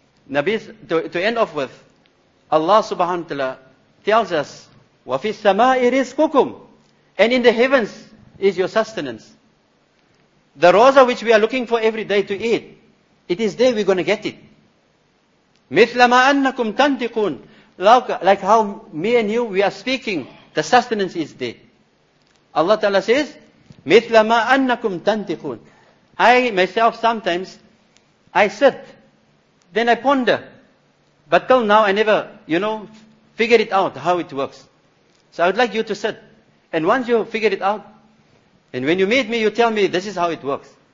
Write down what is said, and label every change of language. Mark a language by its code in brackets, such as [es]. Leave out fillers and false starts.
[en] Nabi, to end off with, Allah subhanahu wa ta'ala tells us, [ar] وَفِي السَّمَاءِ رِزْقُكُمْ, [en] and in the heavens is your sustenance. The roza which we are looking for every day to eat, it is there we're going to get it. [ar] مِثْلَ مَا أَنَّكُمْ تَنْتِقُونَ, [en] like how me and you, we are speaking, the sustenance is there. Allah Ta'ala says, [ar] مِثْلَ مَا أَنَّكُمْ تَنْتِقُونَ. [en] I myself sometimes, I sit, then I ponder. But till now I never, you know, figure it out how it works. So I would like you to sit. And once you figure it out, and when you meet me, you tell me, this is how it works.